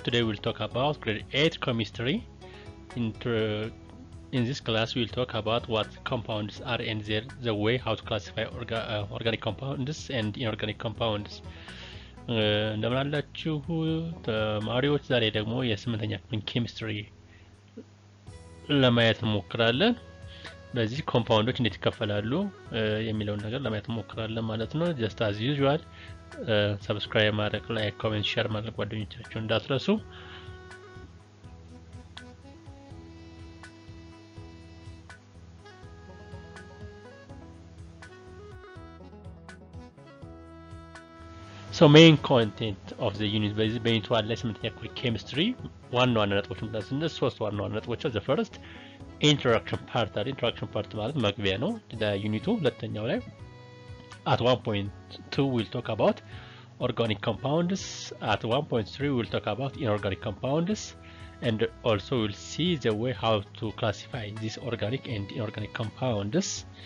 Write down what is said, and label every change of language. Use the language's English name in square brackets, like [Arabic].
[English] Today we'll talk about grade 8 chemistry. In this class we'll talk about what compounds are and the way how to classify organic compounds and inorganic compounds. [Amharic] እንደምናላችሁ ተማሪዎች፣ ዛሬ ደግሞ የ8ኛ ክፍል chemistry ለማየት እንሞክራለን። በዚህ ኮምፓውንዶች እንዴት ይከፈላሉ የሚለውን ነገር ለማየት እንሞክራለን ማለት ነው። [English] just as usual [Amharic] subscribe ማድረግ፣ like, comment, share ማድረግ ጓደኞቻችሁ እንዳትረሱ። [English] So main content of the unit is going to our lesson called chemistry. The first introduction part. The introduction part is the main unit. At one point 2 we'll talk about organic compounds. At 1.3 we'll talk about inorganic compounds, and also we'll see the way how to classify these organic and inorganic compounds.